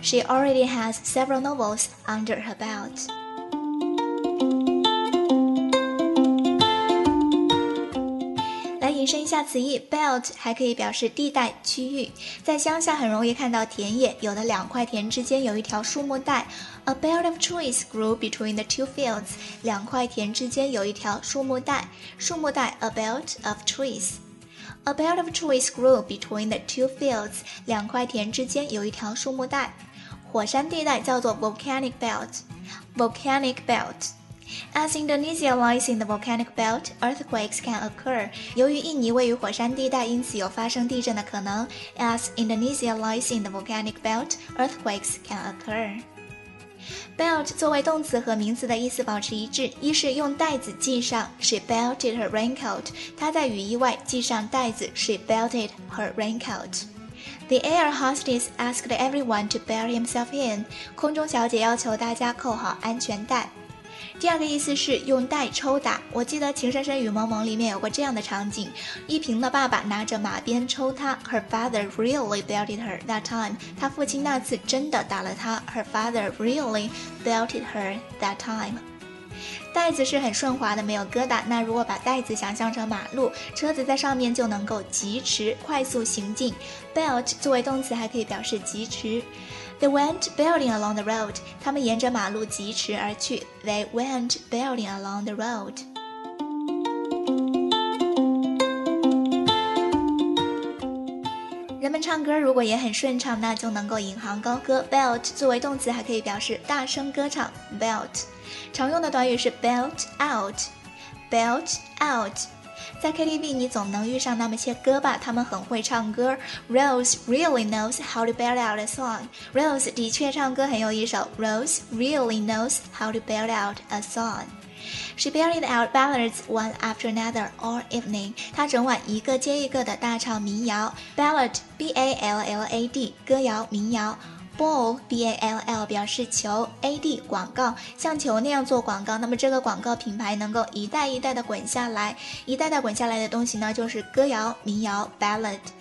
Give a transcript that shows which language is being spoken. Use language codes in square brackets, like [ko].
[en] She already has several novels under her belt. [zh] 引申一下词义， belt 还可以表示地带、区域。在乡下很容易看到田野，有的两块田之间有一条树木带。 [en] A belt of trees grew between the two fields. [zh] 两块田之间有一条树木带。树木带 [en] a belt of trees. A belt of trees grew between the two fields. [zh] 两块田之间有一条树木带。火山地带叫做 [en] volcanic belt. Volcanic belt. As Indonesia lies in the volcanic belt, earthquakes can occur. [zh] 由于印尼位于火山地带，因此有发生地震的可能。 [en] As Indonesia lies in the volcanic belt, earthquakes can occur. [zh] Belt 作为动词和名词的意思保持一致，一是用带子系上， [en] She belted her raincoat. [zh] 她在雨衣外系上带子， [en] She belted her raincoat. The air hostess asked everyone to belt himself in. [zh] 空中小姐要求大家扣好安全带。第二个意思是用带抽打。我记得《情深深雨蒙蒙》里面有过这样的场景，一平的爸爸拿着马鞭抽她。 [en] Her father really belted her that time. [zh] 她父亲那次真的打了她。 [en] Her father really belted her that time. [zh] 带子是很顺滑的，没有疙瘩。那如果把带子想象成马路，车子在上面就能够疾驰快速行进。 Belt 作为动词还可以表示疾驰。 [en] They went belting along the road. [zh] 他们沿着马路疾驰而去。 [en] They went belting along the road. [zh] 人们唱歌如果也很顺畅，那就能够引吭高歌。 Belt 作为动词还可以表示大声歌唱。Belt 常用的短语是 belt out. [en] Belt out. [zh] 在 KTV 你总能遇上那么些歌吧，他们很会唱歌。 [en] Rose really knows how to belt out a song. [zh] Rose 的确唱歌很有一手。 [en] Rose really knows how to belt out a song. She belted out ballads one after another all evening. [zh] 她整晚一个接一个的大唱民谣。 Ballad B-A-L-L-A-D 歌谣民谣。 Ball B-A-L-L 表示球， A-D 广告，像球那样做广告，那么这个广告品牌能够一代一代的滚下来，一代代滚下来的东西呢就是歌谣民谣 Ballad.